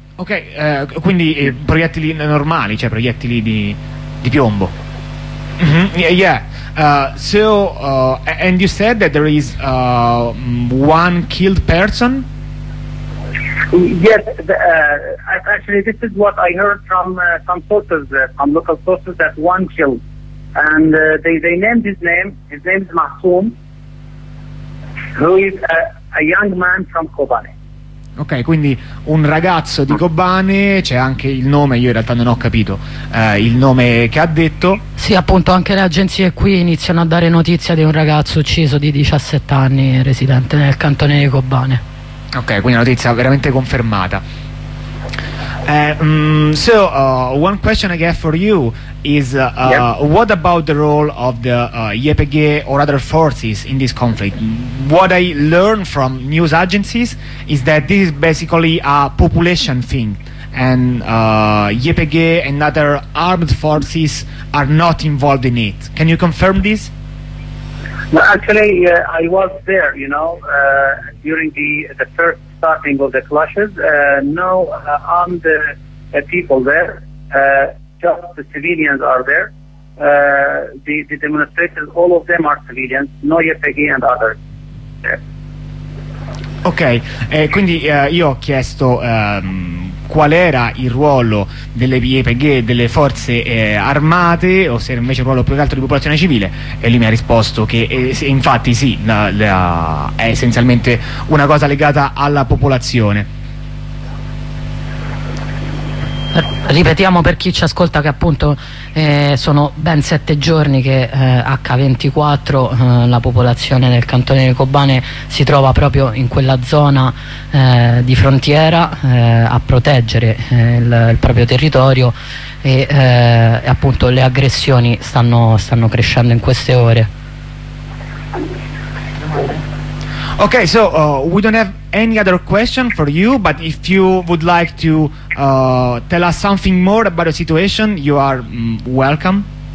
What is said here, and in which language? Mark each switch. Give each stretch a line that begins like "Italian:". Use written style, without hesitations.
Italian: Ok, quindi proiettili normali, cioè proiettili di piombo.
English: Mm-hmm. Yeah. And you said that there is one killed person? Yes, actually, this is what I heard from some sources, from local sources, that one killed. And they named his name. His name is Mahsoum, who is a young man from Kobane.
Italian: Ok, quindi un ragazzo di Kobane, c'è anche il nome, io in realtà non ho capito il nome che ha detto. Sì. Sì, appunto, anche le agenzie qui iniziano a dare notizia di un ragazzo ucciso di 17 anni, residente nel cantone di Kobane. Ok, quindi notizia veramente confermata.
English: So one question I get for you is what about the role of the YPG or other forces in this conflict? What I learned from news agencies is that this is basically a population thing, and YPG and other armed forces are not involved in it. Can you confirm this? No, actually, I was there, you know, during the first starting of the clashes. No armed people there, just the civilians are there. The demonstrators, all of them are civilians, no YPG and others.
Italian: Ok, quindi io ho chiesto qual era il ruolo delle YPG, delle forze armate, o se invece il ruolo più che altro di popolazione civile, e lui mi ha risposto che infatti sì, è essenzialmente una cosa legata alla popolazione. Ripetiamo per chi ci ascolta che appunto sono ben 7 giorni che H24 la popolazione del cantone di Kobane si trova proprio in quella zona di frontiera a proteggere il proprio territorio, e appunto le aggressioni stanno crescendo in queste ore.
English: Ok, so we don't have any other question for you, but if you would like to tell us something more about the situation, you are welcome.